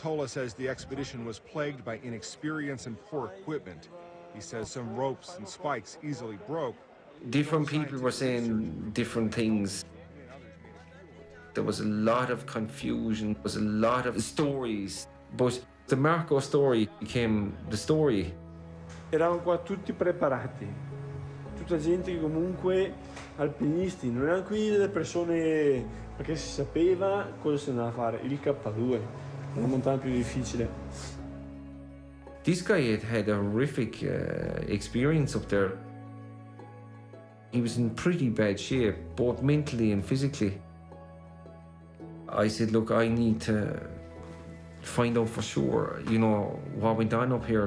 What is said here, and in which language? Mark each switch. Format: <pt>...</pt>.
<en>Confortola says the expedition was plagued by inexperience and poor equipment. He says some ropes and spikes easily broke. Different people were saying different things. There was a lot of confusion, there was a lot of stories, but the Marco story became the story.</en> <it>Eravamo qua tutti preparati, tutta gente che comunque alpinisti, non erano qui delle persone perché si sapeva cosa si andava a fare, il K2, la montagna più difficile.</it> <en>This guy had a horrific experience up there. He was in pretty bad shape, both mentally and physically. I said, look, I need to find out for sure, you know, what went on up here.</en>